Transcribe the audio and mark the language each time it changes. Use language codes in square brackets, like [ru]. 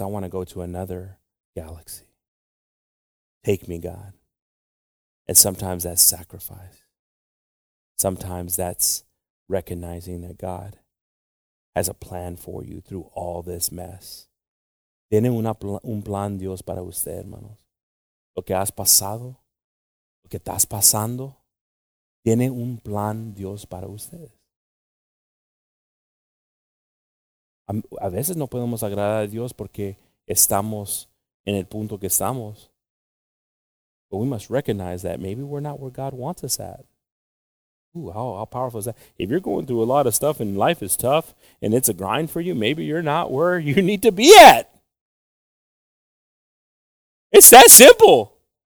[en] I want to go to another galaxy. Take me, God. And sometimes that's sacrifice. Sometimes that's recognizing that God has a plan for you through all this mess. [es] Tiene un plan Dios para usted, hermanos. Lo que has pasado, lo que estás pasando, tiene un plan Dios para usted. A veces no podemos agradar a Dios porque estamos en el punto que estamos. [en] But we must recognize that maybe we're not where God wants us at. Ooh, how powerful is that? If you're going through a lot of stuff and life is tough and it's a grind for you, maybe you're not where you need to be at. It's that simple.